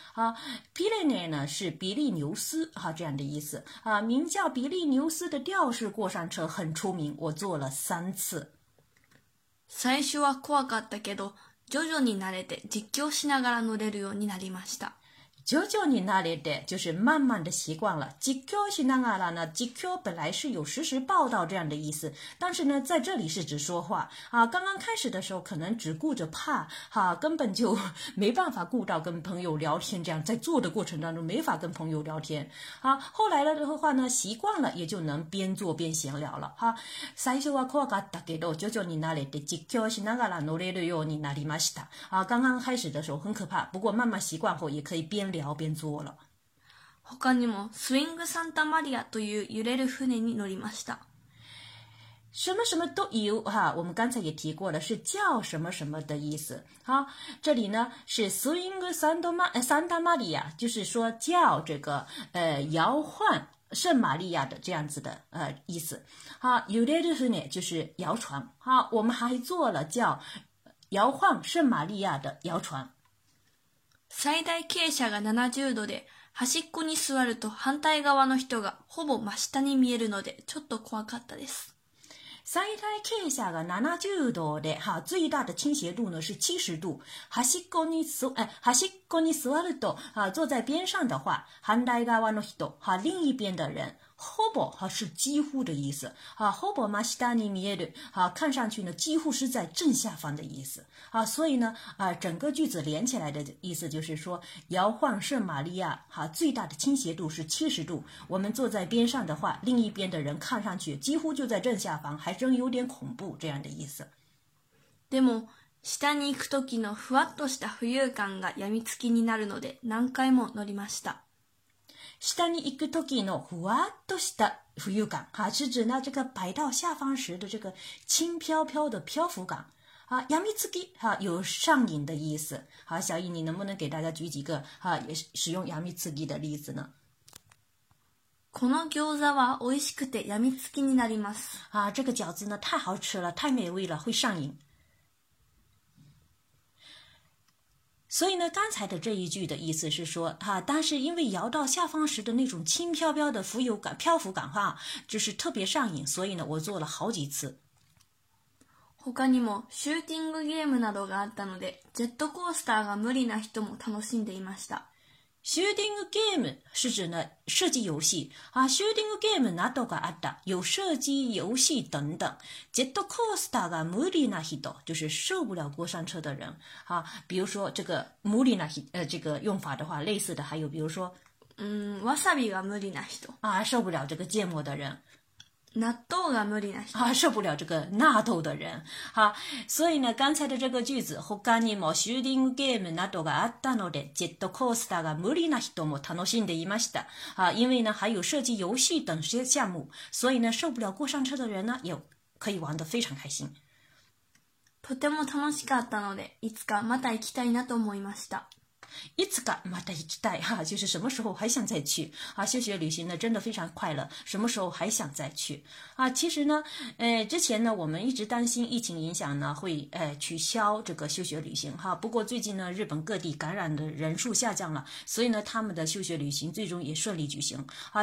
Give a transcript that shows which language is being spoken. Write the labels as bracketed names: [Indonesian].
[Chinese] 啊，ピレネー呢是比利牛斯哈、啊、这样的意思。啊，名叫比利牛斯的吊式过山车很出名，我坐了三次。 [Japanese] 最初は怖かったけど、徐々に慣れて実況しながら乗れるようになりました。 [Chinese] 久久你那里的就是慢慢的习惯了。 [Japanese] 実況しながら [Chinese] 呢，実況本来是有实时报道这样的意思，但是呢，在这里是指说话啊。刚刚开始的时候，可能只顾着怕哈、啊，根本就没办法顾到跟朋友聊天，这样在做的过程当中没法跟朋友聊天啊。后来的话呢，习惯了也就能边做边闲聊了哈、啊。 [Japanese] 最初は怖かったけど、 [Chinese] 久久你那里的 [Japanese] 実況しながら乗れるようになりました。 [Chinese] 啊，刚刚开始的时候很可怕，不过慢慢习惯后也可以边聊边做了。 [Japanese] 他にもスイングサンタマリアという揺れる船に乗りました。 [Chinese] 什么什么都有哈，我们刚才也提过了，是叫什么什么的意思。好，这里呢是 swing Santa Maria， 就是说叫这个摇晃圣玛利亚的这样子的意思。好， [Japanese] 揺れる船 [Chinese] 就是摇船。好，我们还做了叫摇晃圣玛利亚的摇船。 [Japanese] 最大傾斜が70度で、端っこに座ると反対側の人がほぼ真下に見えるので、ちょっと怖かったです。最大傾斜が70度で、 [Chinese] 哈、最大的倾斜度呢是70度。 [Japanese] 端っこに座ると、 [Chinese] 哈、坐在边上的话、 [Japanese] 反対側の人、 [Chinese] 哈、另一边的人、ほぼ、哈、是几乎的意思。哈、 [Japanese] ほぼ真下に見える、 [Chinese] 哈、看上去呢几乎是在正下方的意思。啊，所以呢，整个句子连起来的意思就是说，摇晃圣玛利亚，哈、啊，最大的倾斜度是70度。我们坐在边上的话，另一边的人看上去几乎就在正下方，还真有点恐怖这样的意思。 [Japanese] でも下に行くときのふわっとした浮遊感が病みつきになるので、何回も乗りました。下に行くときのふわっとした浮遊感， [Chinese] 哈、啊，是指呢这个摆到下方时的这个轻飘飘的漂浮感。啊，ヤミツキ哈有上瘾的意思。好，小姨，你能不能给大家举几个哈、啊、也使用ヤミツキ的例子呢？ [Japanese] この餃子は美味しくてヤミツキになります。 [Chinese] 啊，这个饺子呢太好吃了，太美味了，会上瘾。所以呢，刚才的这一句的意思是说，哈、啊，但是因为摇到下方时的那种轻飘飘的浮游感、漂浮感哈，就是特别上瘾，所以呢，我做了好几次。 [Japanese] 他にもシューティングゲームなどがあったのでジェットコースターが無理な人も楽しんでいました。 [Chinese] シューティングゲーム是指呢射击游戏啊， [Japanese] シューティングゲームなどがあった [Chinese] 有射击游戏等等。 [Japanese] ジェットコースターが無理な人 [Chinese] 就是受不了过山车的人啊，比如说这个無理な这个用法的话，类似的还有比如说 [Japanese] わさびが無理な人。 [Chinese] 啊，受不了这个芥末的人。 [Japanese] 納豆が無理な人。 [Chinese] 啊，受不了这个納豆的人。好，所以呢，刚才的这个句子， [Japanese] 他にもシューティングゲームなどがあったので、ジェットコースターが無理な人も楽しんでいました。 [Chinese] 啊，因为呢，还有射击游戏等些项目，所以呢，受不了过山车的人呢，也可以玩得非常开心。 [Japanese] とても楽しかったので、いつかまた行きたいなと思いました。いつかまた行きたい、 [Chinese] 啊、就是什么时候还想再去啊？休学旅行呢，真的非常快乐。什么时候还想再去啊？其实呢，之前呢，我们一直担心疫情影响呢，会取消这个休学旅行哈、啊。不过最近呢，日本各地感染的人数下降了，所以呢，他们的休学旅行最终也顺利举行啊。